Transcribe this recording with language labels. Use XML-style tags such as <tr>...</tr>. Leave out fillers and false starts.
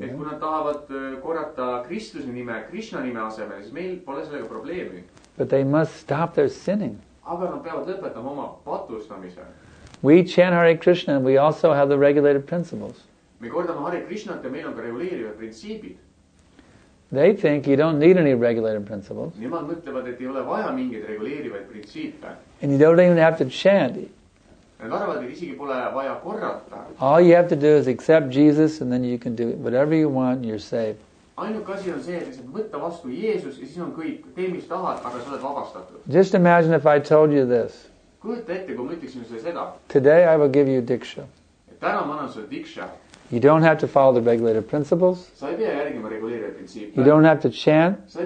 <et>Et kui nad tahavad korrata Kristuse nime, Krishna nime asemel, siis meil pole sellega probleemi.</et> <en>But they must stop their sinning.</en> <et>Aga nad peavad lõpetama oma patustamise.</et> <en>We chant Hare Krishna and we also have the regulated principles.</en> <et>Me kordame Hare Krishna ja meil on ka reguleerivad printsiibid.</et> <en>They think you don't need any regulated principles.</en> <et>Nemad mõtlevad, et ei ole vaja mingid reguleerivaid printsiibe.</et> <en>And you don't even have to chant.</en> <et>Nad arvavad, et isegi pole vaja korrata.</et> <en>All you have to do is accept Jesus and then you can do whatever you want and you're saved.</en> <et>Ainuke asi on see, et võtta vastu Jeesus ja siis on kõik. Tee, mis tahad, aga sa oled vabastatud.</et> <en>Just imagine if I told you this.</en> <et>Kujuta ette, kui ma ütleksin sulle seda.</et> <en>Today I will give you diksha.</en> <et>Täna ma annan sulle diksha.</et> <en>You don't have to follow the regulated principles. You don't have to chant.</en>